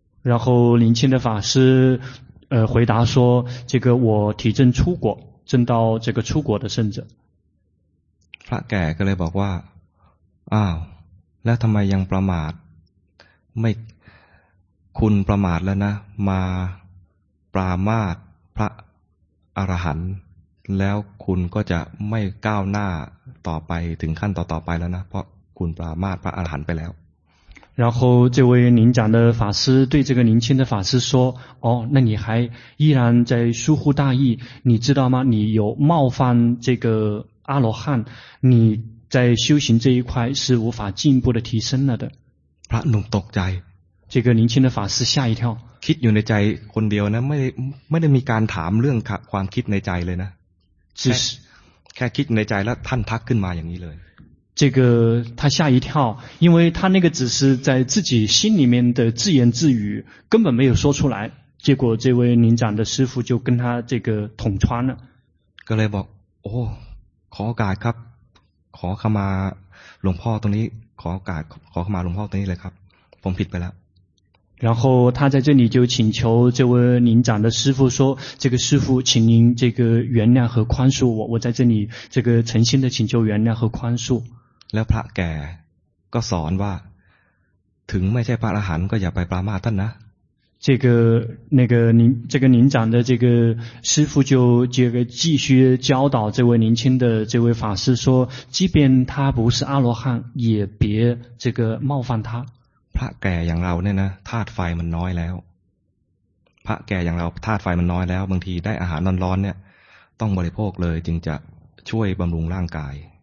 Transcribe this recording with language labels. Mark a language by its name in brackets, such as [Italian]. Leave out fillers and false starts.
[Chinese] 然后年轻的法师回答说，这个我体证初果，证到这个初果的圣者。 [Thai] พระแก่ก็เลยบอกว่าอ้าวแล้วทำไมยังประมาทไม่คุณประมาทแล้วนะมาปรามาสพระอรหันต์แล้วคุณก็จะไม่ก้าวหน้าต่อไปถึงขั้นต่อๆไปแล้วนะเพราะคุณปรามาสพระอรหันต์ไปแล้ว [Chinese] 然后这位年长的法师对这个年轻的法师说哦那你还依然在疏忽大意你知道吗你有冒犯这个阿罗汉你在修行这一块是无法进一步的提升了的。 [Thai] พระหนุ่มตกใจ [Chinese] 这个年轻的法师吓一跳。 [Thai] คิดอยู่ในใจคนเดียวนะไม่ได้มีการถามเรื่องความคิดในใจเลยนะ [Chinese] 只是 [Thai] แค่คิดในใจแล้วท่านทักขึ้นมาอย่างนี้เลย [Chinese] 这个他吓一跳因为他那个只是在自己心里面的自言自语根本没有说出来结果这位年长的师父就跟他这个捅穿了 [Thai] ก็เลยบอกโอ้ขอโอกาสครับขอเข้ามาหลวงพ่อตรงนี้ขอโอกาสขอเข้ามาหลวงพ่อตรงนี้เลยครับผมผิดไปแล้ว [Chinese] 然后他在这里就请求这位年长的师父说这个师父请您这个原谅和宽恕我在这里这个诚心的请求原谅和宽恕 [Thai] แล้วพระแก่ก็สอนว่าถึงไม่ใช่พระอรหันต์ก็อย่าไปปรามาสท่านนะ [Chinese] 这个年长的这个师父就这个继续教导这位年轻的这位法师说，即便他不是阿罗汉，也别这个冒犯他。 [Thai] พระแก่อย่างเราเนี่ยนะธาตุไฟมันน้อยแล้วพระแก่อย่างเราธาตุไฟมันน้อยแล้วบางทีได้อาหารร้อนๆเนี่ยต้องบริโภคเลยจึงจะช่วยบำรุงร่างกาย